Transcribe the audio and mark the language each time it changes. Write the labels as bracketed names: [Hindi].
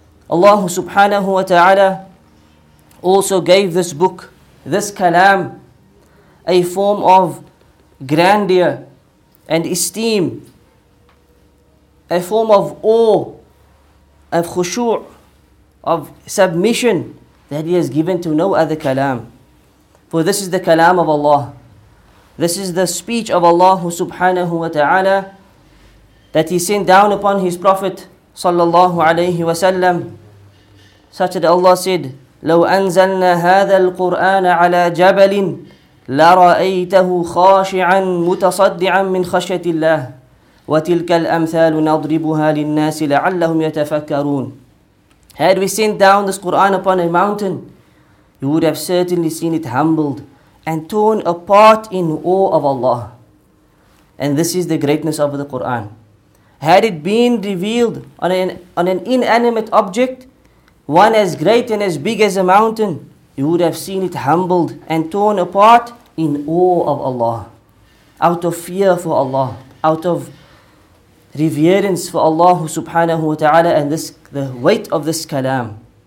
[English] Allah subhanahu wa ta'ala also gave this book, this kalam, a form of grandeur and esteem, a form of awe, of khushu', of submission that He has given to no other kalam. For this is the kalam of Allah. This is the speech of Allah subhanahu wa ta'ala that He sent down upon His Prophet sallallahu alayhi wa sallam. Such that Allah said, [Arabic] لو أنزلنا هذا القرآن على جبل لرأيته خاشعا متصدعا من خشية الله وتلك الأمثال نضربها للناس لعلهم يتفكرون. [English] Had we sent down this Quran upon a mountain, you would have certainly seen it humbled and torn apart in awe of Allah. And this is the greatness of the Quran. Had it been revealed on an inanimate object, one as great and as big as a mountain, you would have seen it humbled and torn apart in awe of Allah, out of fear for Allah, out of reverence for Allah subhanahu wa ta'ala and this, the weight of this kalam.